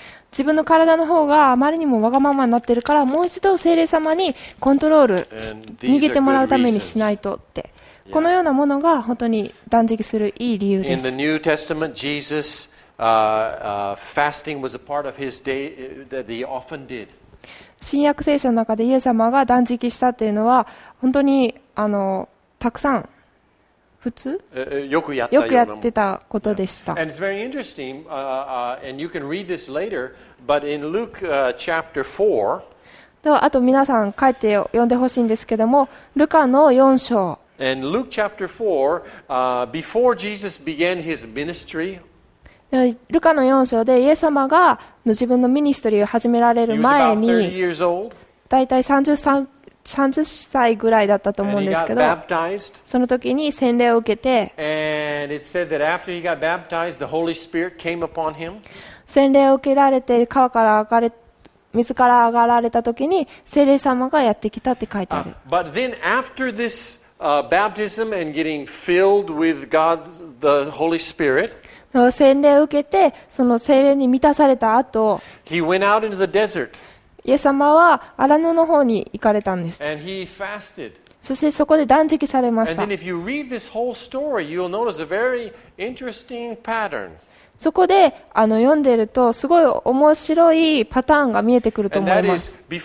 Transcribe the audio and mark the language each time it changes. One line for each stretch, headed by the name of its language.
Japanese: 自分の体の方があまりにもわがままになっているから、もう一度聖霊様にコントロール、握ってもらうためにしないとって。このようなものが本当に断食するいい理由です。
English: In the New Testament, Jesus, fasting was a part of his day that he often did.
Japanese: 新約聖書の中でイエス様が断食したっていうのは本当にたくさん普通よくやってたことでした。
English: And it's very interesting, and you can read this later, but in Luke chapter 4,
Japanese: ではあと皆さん書いて読んでほしいんですけども、ルカの4章。
English: And Luke chapter 4, before Jesus began his ministry,
Japanese: ルカの4章でイエス様が自分のミニストリーを始められる前に、だいたい30歳ぐらいだったと思うんですけど、その時に洗礼を受けて、
English: And it said that after he got baptized, the Holy Spirit came upon him.
Japanese: 洗礼を受けられて川から上がれ水から上がられた時に聖霊様がやってきたって書いてある。
English: But then after thisbaptism and getting filled with God's the Holy Spirit.
Japanese: 洗礼を受けてその聖霊に満たされた後、
English: He went out into the desert.
Japanese: イエス様は荒野の方に行かれたんです。
English: And he fasted.
Japanese: そしてそこで断食されました。
English: And then if you read this whole story, you'll notice a very interesting pattern.
Japanese: そこで読んでいるとすごい面白いパターンが見えてくると思います。